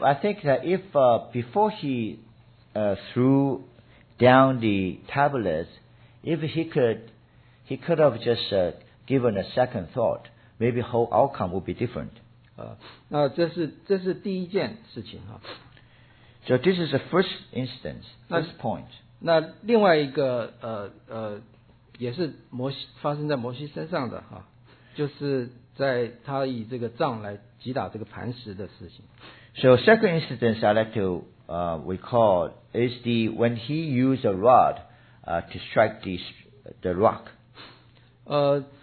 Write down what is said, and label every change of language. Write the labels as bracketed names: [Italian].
[English] I think that if before he threw down the tablets, if he could have just given a second thought, maybe whole outcome would be different. [Chinese] 那这是第一件事情。 [English] So this is the first instance, first point. [Chinese] 那另外一个也是发生在摩西身上的，就是在他以这个杖来击打这个磐石的事情。 [English] So second instance I'd like to recall is the when he used a rod to strike the rock.